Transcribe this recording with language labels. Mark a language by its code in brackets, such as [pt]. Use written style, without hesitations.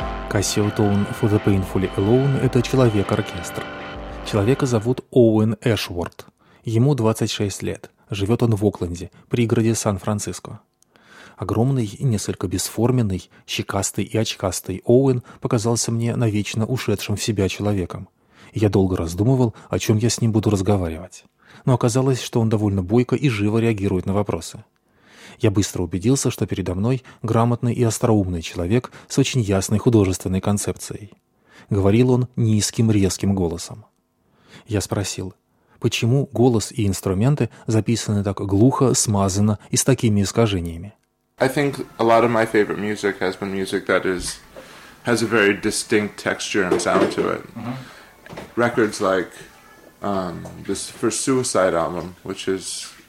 [ru] Cassio Tone for the Painfully Alone – это человек-оркестр. Человека зовут Оуэн Эшворт. Ему 26 лет. Живет он в Окленде, пригороде Сан-Франциско. Огромный, несколько бесформенный, щекастый и очкастый Оуэн показался мне навечно ушедшим в себя человеком. Я долго раздумывал, о чем я с ним буду разговаривать. Но оказалось, что он довольно бойко и живо реагирует на вопросы. Я быстро убедился, что передо мной грамотный и остроумный человек с очень ясной художественной концепцией. Говорил он низким, резким голосом. Я спросил, почему голос и инструменты записаны так глухо, смазанно и с такими искажениями? [en] I think a lot of my favorite music has been music that is has a very distinct texture and sound to it. Records like this first Suicide album, which is